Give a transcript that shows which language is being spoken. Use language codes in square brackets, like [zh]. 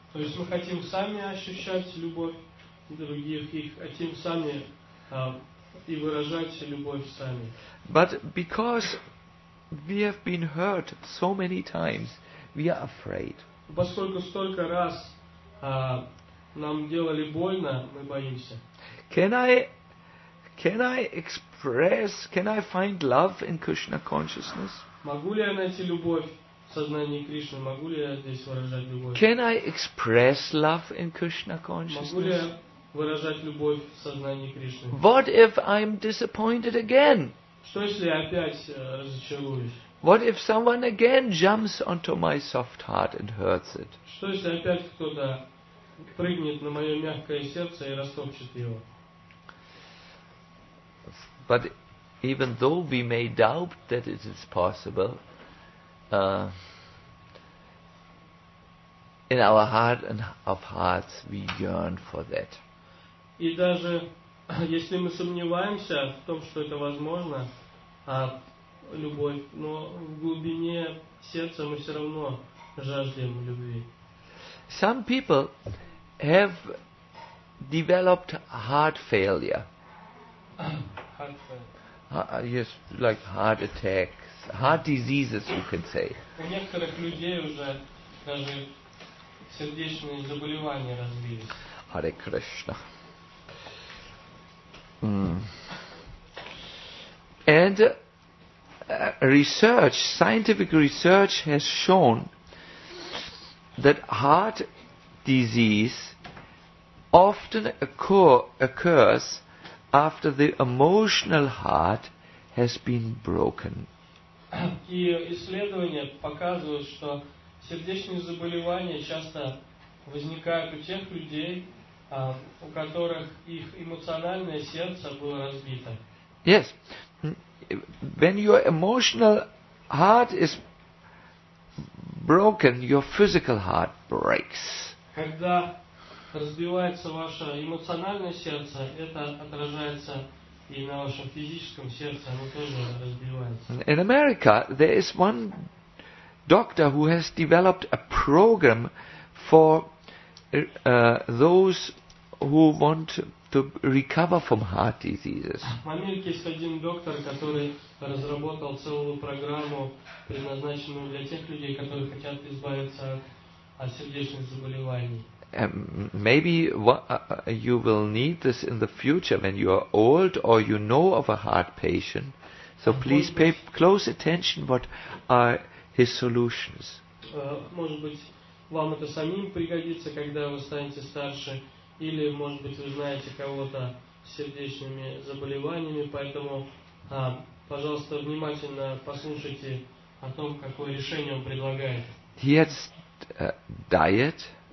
[ru] То есть мы хотим сами ощущать любовь других и хотим сами и выражать любовь сами. [en] But because we have been hurt so many times, we are afraid. [ru] Поскольку столько раз нам делали больно, мы боимся. [en] Can I find love in Krishna consciousness? [ru] Могу ли я найти любовь в сознании Кришны? Могу ли я здесь выражать любовь? [en] Can I express love in Krishna consciousness? [ru] Могу ли я выражать любовь в сознании Кришны? [en] What if I'm disappointed again? [ru] Что если я опять разочаруюсь? [en] What if someone again jumps onto my soft heart and hurts it? [ru] Что если опять кто-то прыгнет на мое мягкое сердце и растопчет его? [en] But even though we may doubt that it is possible, in our heart and of hearts we yearn for that. [ru] И даже если мы сомневаемся в том, что это возможно, любовь, но в глубине сердца мы все равно жаждем любви. [en] Some people have developed heart failure. Heart failure. Yes, like heart attacks, heart diseases, you could say. [ru] У некоторых людей уже даже сердечные заболевания развились. [sa] Hare Krishna. [en] And research, scientific research has shown that heart disease often occurs after the emotional heart has been broken. [ru] И исследования показывают, что сердечные заболевания часто возникают у тех людей, у которых их эмоциональное сердце было разбито. [en] Yes. When your emotional heart is broken, your physical heart breaks. [ru] Когда разбивается ваше эмоциональное сердце, это отражается и на вашем физическом сердце, оно тоже разбивается. [en] In America, there is one doctor who has developed a program for those who want to recover from heart diseases. [ru] В Америке есть один доктор, который разработал целую программу, предназначенную для тех людей, которые хотят избавиться от сердечных заболеваний. [en] Maybe you will need this in the future when you are old or you know of a heart patient. So please pay close attention what are his solutions. [ru] Может быть, вам это самим пригодится, когда вы станете старше, или, может быть, вы знаете кого-то с сердечными заболеваниями, поэтому, пожалуйста, внимательно послушайте о том, какое решение он предлагает. [en] He has diet.